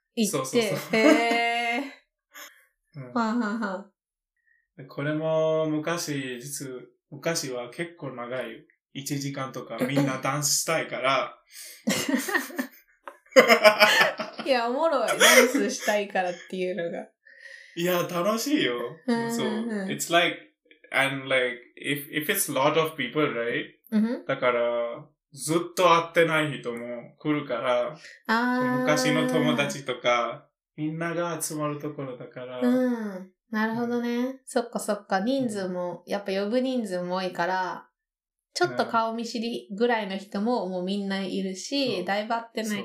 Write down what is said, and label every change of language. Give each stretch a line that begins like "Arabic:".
Japanese: 行って。そうそうそう。へぇー。はぁはぁはぁ。これも、昔は結構長い。 1時間とかみんなダンスしたいから。いや、おもろい。ダンスしたいからっていうのが。いや、楽しいよ。そう。
English: It's like, and like, if it's a lot of people, right?
Japanese: だから、ずっと会ってない人も来るから、昔の友達とか、みんなが集まるところだから。なるほどね。そっかそっか。人数も、やっぱ呼ぶ人数も多いから、ちょっと顔見知りぐらいの人ももうみんないるし、だいぶ会ってない。